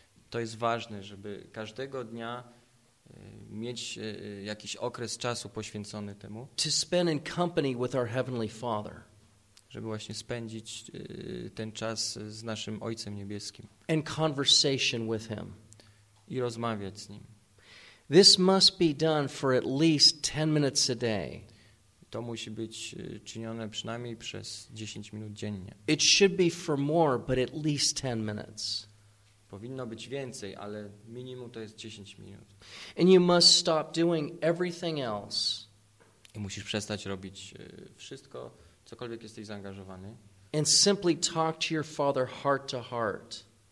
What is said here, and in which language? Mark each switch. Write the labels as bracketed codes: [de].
[pl] To jest ważne, żeby każdego dnia mieć jakiś okres czasu poświęcony temu, [en] to spend in company with our Heavenly Father, [pl] żeby właśnie spędzić ten czas z naszym Ojcem Niebieskim, [en] and conversation with Him, [pl] i rozmawiać z Nim. [en] This must be done for at least 10 minutes a day. [pl] To musi być czynione przynajmniej przez 10 minut dziennie. [en] It should be for more, but at least 10 minutes. [pl] Powinno być więcej, ale minimum to jest 10 minut. [en] And you must stop doing everything else. [pl] I musisz przestać robić wszystko, cokolwiek jesteś zaangażowany. [en] And simply talk to your Father heart to heart.